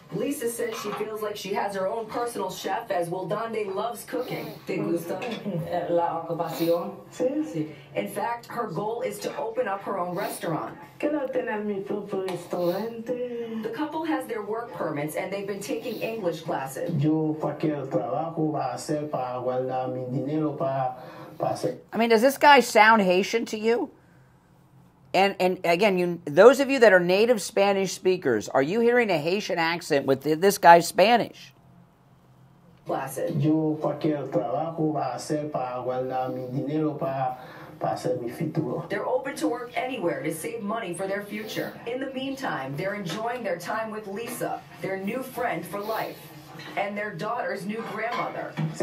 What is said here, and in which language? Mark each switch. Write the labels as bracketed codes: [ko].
[en] Lisa says she feels like she has her own personal chef, as Wildande loves cooking. [es] ¿Te gusta la ocupación? Sí, sí. [en] In fact, her goal is to open up her own restaurant. [es] Quiero tener mi propio restaurante. [en] The couple has their work permits, and they've been taking English classes. [es] Yo cualquier trabajo va a ser para guardar mi dinero para hacer. [en] I mean, does this guy sound Haitian to you? And again, you, those of you that are native Spanish speakers, are you hearing a Haitian accent with this guy's Spanish? Placid. [es] Yo cualquier trabajo va a ser para guardar mi dinero para hacer mi futuro. [en] They're open to work anywhere to save money for their future. In the meantime, they're enjoying their time with Lisa, their new friend for life, and their daughter's new grandmother.